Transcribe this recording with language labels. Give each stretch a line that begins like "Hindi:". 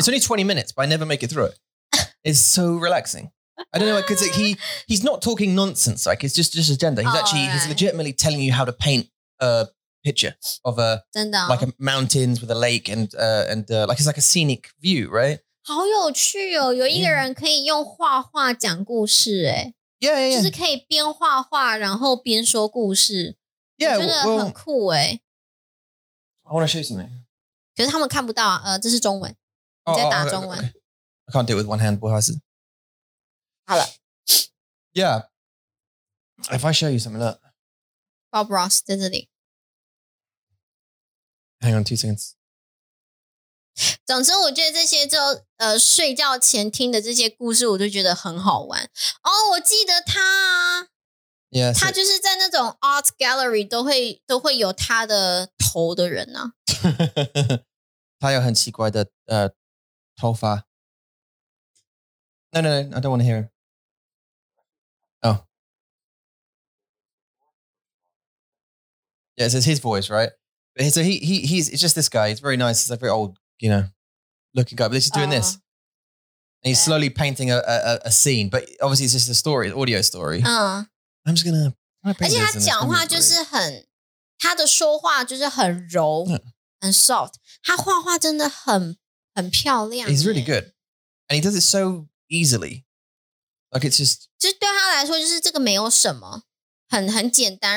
English: It's only 20 minutes, but I never make it through it. It's so relaxing. I don't know, because he's not talking nonsense, like it's just agenda. He's legitimately telling you how to paint a picture of a like a mountains with a lake and like it's like a scenic view, right?
Chinese: 好有趣哦，有一个人可以用画画讲故事，哎，
English: yeah.
Chinese: 就是可以边画画然后边说故事，
English: yeah,
Chinese: 我觉得很酷哎。
English: Well, I want to show you something.
Chinese: 可是他们看不到，这是中文， 你在打中文。
English: I can't do it with one hand,
Chinese: 不好意思。好了，
English: yeah. If I show you something, look. Bob Ross, isn't he? Hang on 2 seconds.
Chinese: 总之我觉得这些就睡觉前听的这些故事我就觉得很好玩。哦、oh, 我记得他
English: 啊。Yeah,
Chinese: 他就是在那种 art gallery 都会有他的头的人啊。他有很奇怪的头发。
English: No, no, no, I don't want to hear him. Oh. Yeah, so it's his voice, right? But he, so he's it's just this guy. He's very nice. He's a very old, you know, looking guy. But he's just doing this. And he's slowly painting a scene. But obviously it's just a story, an audio story. I'm just going to paint this.
Chinese: 而且他讲话就是很他的说话就是很柔很 soft. 他画画真的很漂亮。
English: He's really good. And he does it so... Easily, like it's just.
Chinese: 就对他来说，就是这个没有什么，很简单。